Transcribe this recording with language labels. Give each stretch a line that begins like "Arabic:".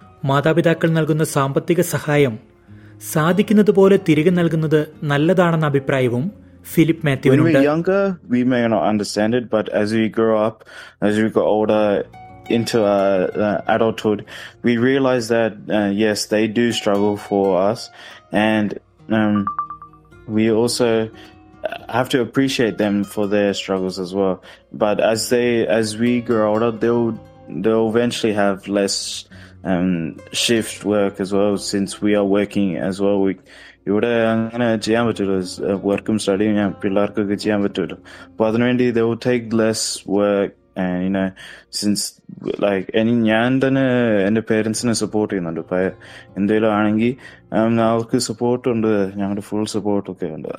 Malayalam: മാതാപിതാക്കൾ നൽകുന്ന സാമ്പത്തിക സഹായം സാധിക്കുന്നതുപോലെ തിരികെ നൽകുന്നത് നല്ലതാണെന്ന അഭിപ്രായവും Philip Matthew.
English: When we're younger, we may not understand it, but as we grow up, as we got older into adulthood, we realize that yes, they do struggle for us, and we also have to appreciate them for their struggles as well. But as we grow older, they'll eventually have less shift work as well, since we are working as well.
Malayalam: ഇവിടെ അങ്ങനെ ചെയ്യാൻ പറ്റുള്ളൂ, വർക്കും സ്റ്റഡിയും ഞാൻ പിള്ളേർക്കൊക്കെ ചെയ്യാൻ പറ്റുള്ളൂ. അപ്പൊ അതിനുവേണ്ടി
English: they would take less work and since like
Malayalam: ഇനി ഞാൻ തന്നെ എന്റെ പേരൻസിനെ സപ്പോർട്ട് ചെയ്യുന്നുണ്ട്. ഇപ്പൊ എന്തെങ്കിലും ആണെങ്കിൽ അവർക്ക് സപ്പോർട്ടുണ്ട്, ഞങ്ങളുടെ ഫുൾ സപ്പോർട്ടൊക്കെ ഉണ്ട്.